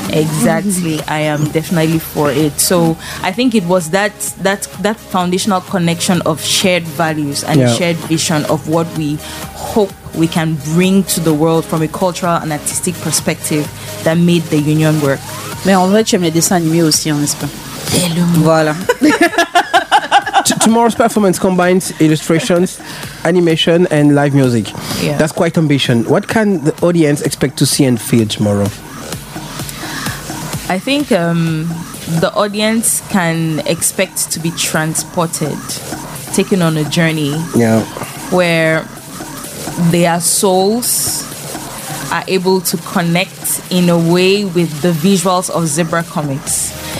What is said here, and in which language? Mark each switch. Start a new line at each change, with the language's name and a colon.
English: Exactly. I am definitely for it. So I think it was that foundational connection of shared values and shared vision of what we hope we can bring to the world from a cultural and artistic perspective that made the union work.
French: Mais en vrai, tu aimes les dessins animés aussi, n'est-ce pas? Tellement. Voilà.
English: Tomorrow's performance combines illustrations, animation, and live music. Yeah. That's quite ambition. What can the audience expect to see and feel tomorrow? I think the audience can expect to be transported, taken on a journey where their souls are able to connect in a way with the visuals of Zebra Comics.